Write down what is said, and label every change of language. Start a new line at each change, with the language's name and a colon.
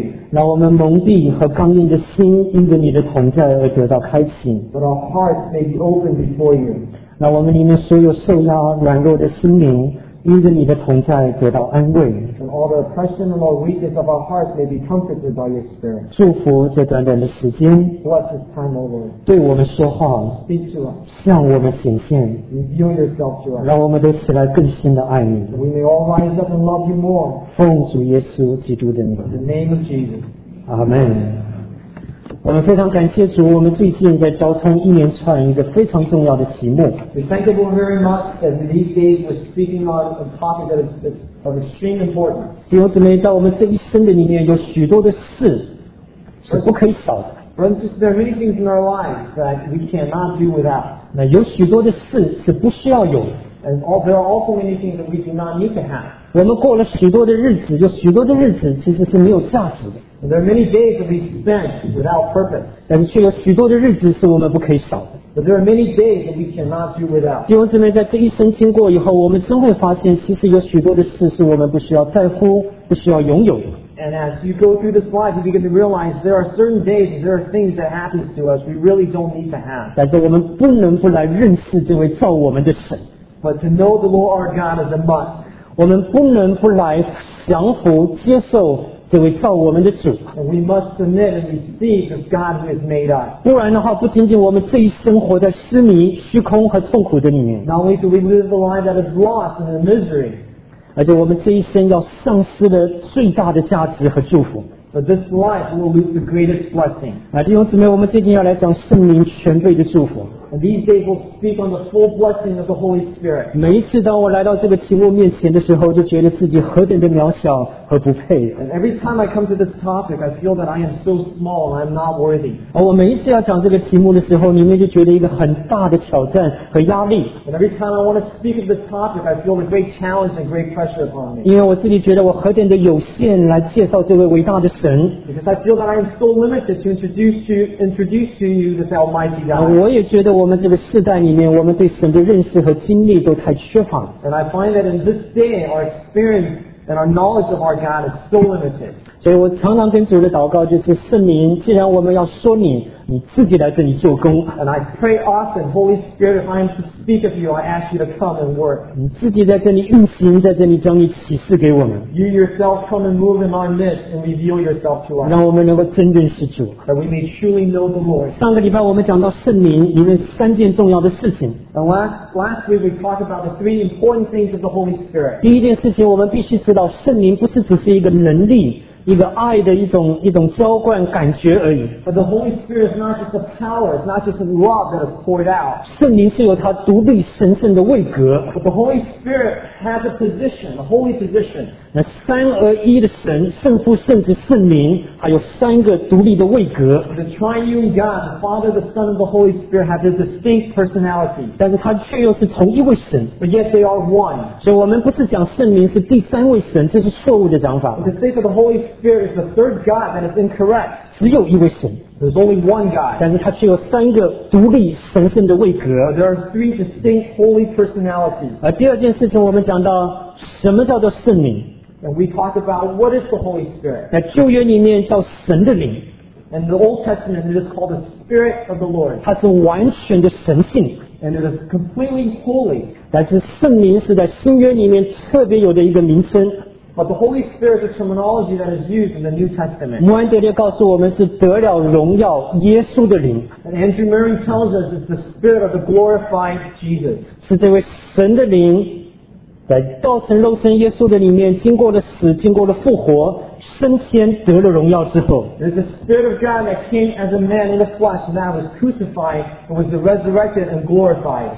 Chinese: 让我们蒙蔽和刚硬的心因着你的同在而得到开启。让我们里面所有受压软弱的心灵因着你的同在得到安慰。
English: And all the oppression and all weakness of our hearts may be comforted by your spirit.
Chinese: 祝福这短短的时间。
English: Bless this time, O Lord.
Chinese: 对我们说话。
English: Speak to us.
Chinese: 向我们显现。
English: Reveal yourself to us.
Chinese: 让我们都起来更深的爱你。
English: We may all rise up and love you more.
Chinese: 奉主耶稣基督的名。
English: In the name of Jesus. Amen.
Chinese: 我们非常感谢主，我们最近在交通一连串一个非常重要的题目。
English: We thank the Lord very much as these days we're speaking on a topic that is of extreme importance.
Chinese: 弟兄姊妹，在我们这一生的里面有许多的事是不可以少的。
English: Brothers, there are many things in our lives that we cannot do without.
Chinese: 那有许多的事是不需要有的。
English: And all, there are also many things that we do not need to have.
Chinese: 我们过了许多的日子，有许多的日子其实是没有价值的。
English: There are many days that we spend without purpose.
Chinese: 但是却有许多的日子是我们不可以少的。
English: But there are many days that we cannot do without.
Chinese: 弟兄姊妹，在这一生经过以后，我们真会发现，其实有许多的事是我们不需要在乎、不需要拥有的。
English: And as you go through this life, you begin to realize there are certain days, there are things that happens to us we really don't need to have.
Chinese: 但是我们不能不来认识这位造我们的神。
English: But to know the Lord our God is a must.
Chinese: 我们不能不来降服、接受。这位造我们的主
English: we must submit and receive the God who has made us.
Chinese: 不然的话不仅仅我们这一生活在失迷虚空和痛苦的里面
English: not only do we live a life that is lost and in misery
Chinese: 而且我们这一生要丧失了最大的价值和祝福
English: but this life will lose the greatest blessing
Chinese: 弟兄姊妹我们最近要来讲圣灵全备的祝福
English: and these days we'll speak on the full blessing of the Holy Spirit
Chinese: 每一次当我来到这个题目面前的时候就觉得自己何等的渺小和不配
English: and every time I come to this topic I feel that I am so small and I'm not worthy
Chinese: 而我每一次要讲这个题目的时候里面就觉得一个很大的挑战和压力
English: and every time I want to speak of this topic I feel a great challenge and great pressure upon me
Chinese: 因为我自己觉得我何等的有限来介绍这位伟大的神
English: because I feel that I am so limited to introduce to you this almighty God
Chinese: 我也觉得我们这个世代里面我们对神的认识和经历都太缺乏
English: and I find that in this day our experienceAnd our knowledge of our God is so limited.
Chinese: 所以我常常跟主的祷告就是圣灵既然我们要说你你自己来这里做工
English: And I pray often, Holy Spirit, if I am to speak of you, I ask you to come and work.
Chinese: 你自己在这里运行在这里将你启示给我们
English: You yourself come and move in our midst and reveal yourself to us.
Chinese: 让我们能够真正是主
English: That we may truly know the Lord.
Chinese: 上个礼拜我们讲到圣灵里面三件重要的事情
English: And last week we talked about the three important things of the Holy Spirit.
Chinese: 第一件事情我们必须知道圣灵不是只是一个能力一个爱的一种浇灌感觉而已
English: But the Holy Spirit is not just a power It's not just a love that is poured out
Chinese: 圣灵是有它独立神圣的位格
English: But the Holy Spirit has a position A holy position
Chinese: 那三而一的神圣父圣子圣灵还有三个独立的位格
English: The triune God the Father, the Son, and the Holy Spirit have a distinct personality
Chinese: 但是它却又是同一位神
English: But yet they are one
Chinese: 所以我们不是讲圣灵是第三位神这是错误的讲法
English: But the state of the Holy Spirit is the third God that is incorrect.
Chinese: 只有一位神
English: There's only one God.
Chinese: 但是他却有三个独立神圣的位格
English: There are three distinct holy personalities.
Chinese: 而第二件事情我们讲到什么叫做圣灵
English: And we talk about what is the Holy Spirit.
Chinese: 在旧约里面叫神的灵。
English: And the Old Testament it is called the Spirit of the Lord.
Chinese: 它是完全的神性。
English: And it is completely holy.
Chinese: 但是圣灵是在新约里面特别有的一个名称。
English: But the Holy Spirit is a terminology that is used in the New Testament.
Chinese: 穆安德烈告诉我们是得了荣耀耶稣的灵。
English: And Andrew Murray tells us it's the Spirit of the glorified Jesus.
Chinese: 是这位神的灵在道成肉身耶稣的里面经过了死经过了复活升天得了荣耀之后
English: There's a spirit of God that came as a man in the flesh and that was crucified and was resurrected and glorified